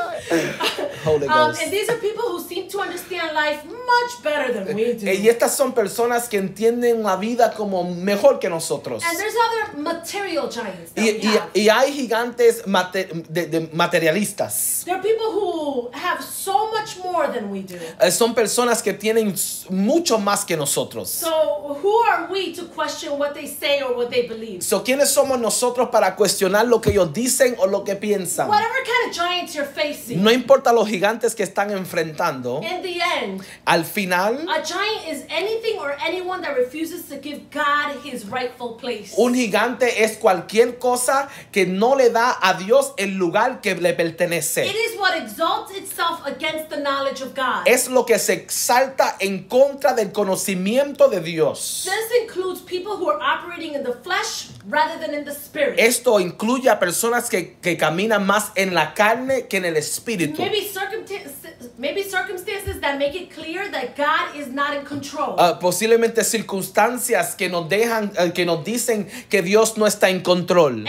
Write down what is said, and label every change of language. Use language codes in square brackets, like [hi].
[en] And these are people who seem to understand life much better than we do. [es] Y estas son personas que entienden la vida como mejor que nosotros. [en] And there's other material giants that [es] y hay gigantes de materialistas. [en] There are people who have so much more than we do. [es] Son personas que tienen mucho más que nosotros. [en] So who are we to question what they say or what they believe? [es] So ¿quiénes somos nosotros para cuestionar lo que ellos dicen o lo que piensan? [en] Whatever kind of giants you're facing. [es] No importa los gigantes que están enfrentando. [en] In the end. [es] Al final. [en] A giant is anything or anyone that refuses to give God his rightful place. [es] Un gigante es cualquier cosa que no le da a Dios el lugar que le pertenece. [en] It is what exalts itself against the knowledge of God. [es] Es lo que se exalta en contra del conocimiento de Dios. [en] This includes people who are operating in the flesh rather than in the spirit. [es] Esto incluye a personas que caminan más en la carne que en el espíritu. [en] Maybe circumstances that make it clear that God is not in control. [es] Posiblemente circunstancias que nos dejan, que nos dicen que Dios no está en control.